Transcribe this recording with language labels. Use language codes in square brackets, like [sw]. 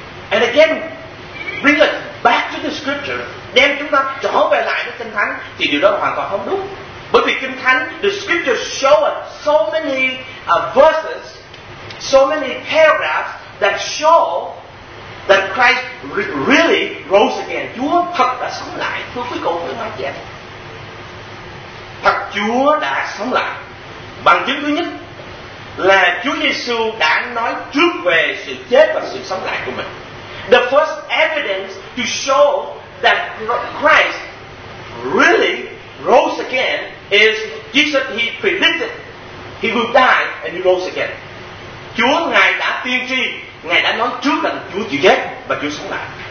[en] And again, bring it back to the scripture. [vi] Đem chúng ta trở về lại với Kinh Thánh thì điều đó hoàn toàn không đúng. Bởi vì Kinh Thánh, [en] the scripture show us so many verses, so many paragraphs that show that Christ really rose again. [vi] Chúa thật đã sống lại. Thưa quý cô, thưa anh chị em. Thật Chúa đã sống lại. Bằng chứng thứ nhất là Chúa Giêsu đã nói trước về sự chết và sự sống lại của mình. [en] The first evidence to show that Christ really rose again is Jesus, he predicted he will die and he rose again. [vi] Chúa Ngài đã tiên tri, Ngài đã nói trước rằng Chúa chịu chết và Chúa sống lại.